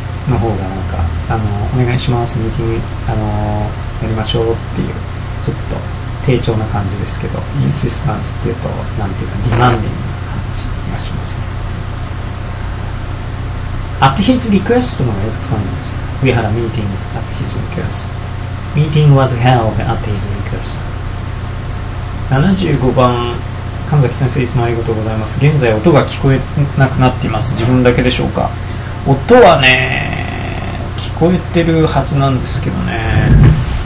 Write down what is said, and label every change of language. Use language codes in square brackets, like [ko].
[ja] の方がなんかあのお願いしますミーティングやりましょうっていうちょっと丁重な感じですけど、 insistence っていうとなんていうかリマンディングな感じがしますね。 [en] at his request [ja] の方がよく使うんです。 [en] we had a meeting at his request、 meeting was held at his request。 [ja] 75番、神崎先生いつもありがとうございます。現在音が聞こえなくなっています。自分だけでしょうか。音はね、聞こえてるはずなんですけどね。